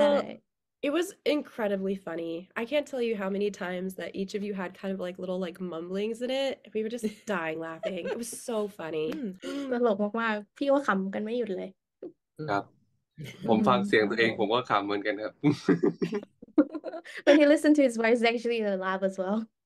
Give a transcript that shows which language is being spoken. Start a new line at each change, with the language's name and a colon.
English: Well, it was incredibly funny. I can't tell you how many times that each of you had kind of like little like mumblings in it. We were just dying laughing. It was so funny.
Thai: ตลกมากมากพี่ก็ขำกันไม่หยุดเลย ครับผมฟังเสียงตัวเองผมก็ขำเหมือนกันครับ
English: When he listened to his voice, he actually laughed as well.